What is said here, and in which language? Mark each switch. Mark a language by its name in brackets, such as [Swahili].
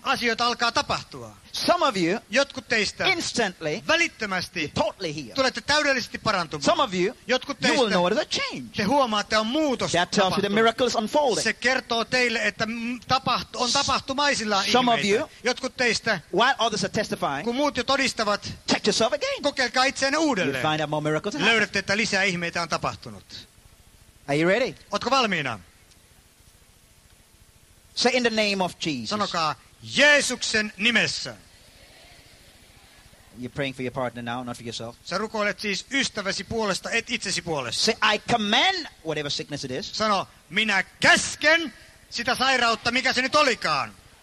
[Finnish] Asioita alkaa tapahtua. [English] Some of you, [Finnish] jotkut teistä, [English] instantly, [Finnish] välittömästi, [English] totally healed. [Finnish] Tulette täydellisesti parantumaan. [English] Some of you, [Finnish] jotkut teistä, [English] you will know it is a change. [Finnish] Te huomaatte on muutos. [English] That tells you the miracle is unfolding. [Finnish] Se kertoo teille, että on tapahtumaisilla ihmeitä. [English] Some of you, [Finnish] jotkut teistä, [English] while others are testifying, [Finnish] kun muut jo todistavat, [English] check yourself again. [Finnish] Kokeilkaa itseänne uudelleen. [English] You find out more miracles. [Finnish] Löydätte, että lisää ihmeitä on tapahtunut. [English] Are you ready? [Finnish] Ootko valmiina? [English] Say in the name of Jesus. [Finnish] Sanokaa Jeesuksen nimessä. [English] You're praying for your partner now, not for yourself. [Finnish] Sä rukoilet siis ystäväsi puolesta, et itsesi puolesta. [English] Say, I command whatever sickness it is. [Finnish] Sano, minä käsken sitä sairautta, mikä se nyt olikaan.